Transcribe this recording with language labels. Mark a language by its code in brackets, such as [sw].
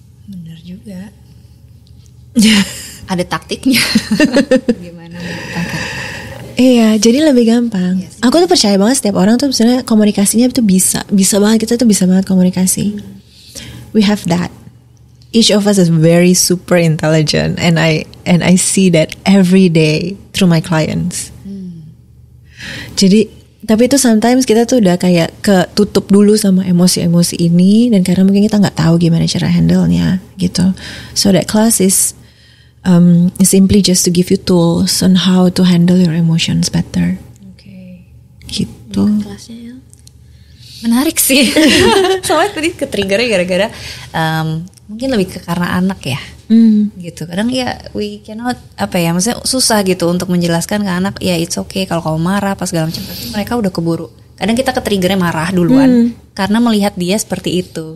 [id] Bener juga. Ada taktiknya. Gimana? Iya, jadi lebih gampang. Yes. Aku tuh percaya banget setiap orang tuh misalnya komunikasinya tuh bisa, bisa banget, kita tuh bisa banget komunikasi. [en] We have that. Each of us is very super intelligent, and I see that every day through my clients. [id] Jadi, tapi itu sometimes kita tuh udah kayak ketutup dulu sama emosi-emosi ini, dan karena mungkin kita nggak tahu gimana cara handle-nya gitu. [en] So that class is simply just to give you tools on how to handle your emotions better. Okay. [id] Gitu. Menarik sih. Soalnya tadi ketriggernya gara-gara mungkin lebih ke karena anak ya. Gitu. Kadang ya [en] we cannot [id] apa ya, maksudnya susah gitu untuk menjelaskan ke anak ya [en] it's okay [id] kalau kamu marah pas segala macam. Tapi mereka udah keburu. Kadang kita ketriggernya marah duluan karena melihat dia seperti itu.